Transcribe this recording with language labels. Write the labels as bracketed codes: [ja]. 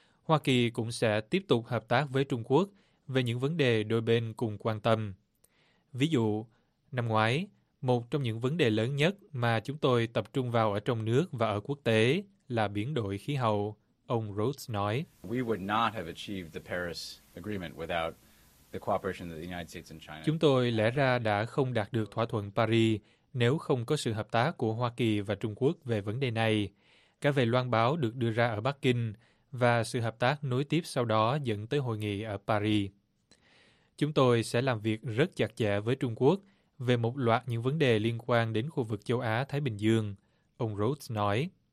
[vi] Hoa Kỳ cũng sẽ tiếp tục hợp tác với Trung Quốc về những vấn đề đôi bên cùng quan tâm. Ví dụ, năm ngoái, một trong những vấn đề lớn nhất mà chúng tôi tập trung vào ở trong nước và ở quốc tế là biến đổi khí hậu, ông Rhodes nói. [en] We would not have achieved the Paris Agreement without the cooperation of the United States and China. [vi] Chúng tôi lẽ ra đã không đạt được thỏa thuận Paris nếu không có sự hợp tác của Hoa Kỳ và Trung Quốc về vấn đề này, cả về loan báo được đưa ra ở Bắc Kinh và sự hợp tác nối tiếp sau đó dẫn tới hội nghị ở Paris. Chúng tôi sẽ làm việc rất chặt chẽ với Trung Quốc về một loạt những vấn đề liên quan đến khu vực châu Á-Thái Bình Dương, ông Rhodes nói.